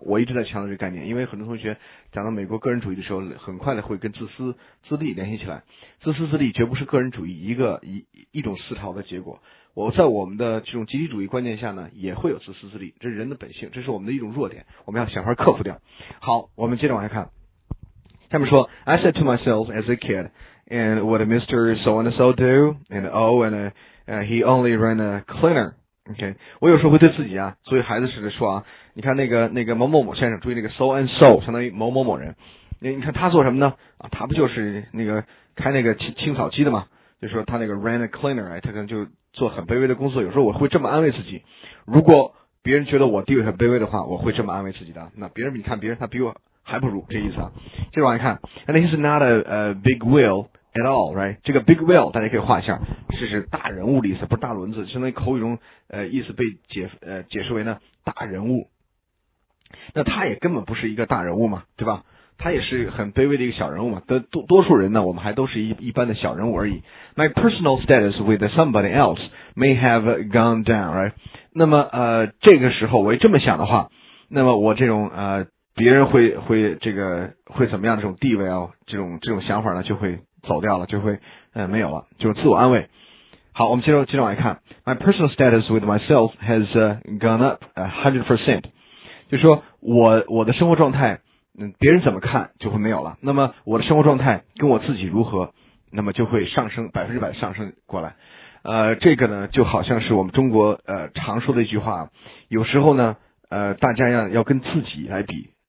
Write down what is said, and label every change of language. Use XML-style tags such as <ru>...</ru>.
<zh>我一直在强调这个概念，因为很多同学讲到美国个人主义的时候很快的会跟自私自利联系起来。自私自利绝不是个人主义一种思潮的结果。我在我们的这种集体主义观念下呢也会有自私自利，这是人的本性，这是我们的一种弱点，我们要想法克服掉。好，我们接着往下看。下面说</zh> <en>I said to myself as a kid, and what did Mr. So-and-so do? He only ran a cleaner. Okay.</en> <zh>我有时候会对自己作为孩子似的说你看那个某某某先生，注意那个 So-and-so, 相当于某某某人。你看他做什么呢他不就是那个开那个清扫机的吗？就是说他那个</zh> <en>ran a cleaner,</en> <zh>他可能就做很卑微的工作。有时候我会这么安慰自己。如果别人觉得我地位很卑微的话，我会这么安慰自己的。那别人你看别人他比我还不如，这意思啊。接着往下看。</zh> <en>And he's not a big wheel at all, right?</en> <zh>这个 big wheel, 大家可以画一下。这是大人物的意思，不是大轮子。相当于口语中意思被解释为呢大人物。那他也根本不是一个大人物嘛，对吧？他也是很卑微的一个小人物嘛。多数人呢我们还都是一般的小人物而已。</zh> <en>My personal status with somebody else may have gone down, right?</en> <zh>那么这个时候我这么想的话，那么我这种别人会这个会怎么样，这种地位啊，这种想法呢就会走掉了，就会没有了，就是自我安慰。好，我们接着往下看。</zh> <en>My personal status with myself has gone up 100%.</en> <zh>就是说我的生活状态别人怎么看就会没有了。那么我的生活状态跟我自己如何，那么就会上升100%上升过来。这个呢就好像是我们中国常说的一句话，有时候呢大家要跟自己来比。</zh>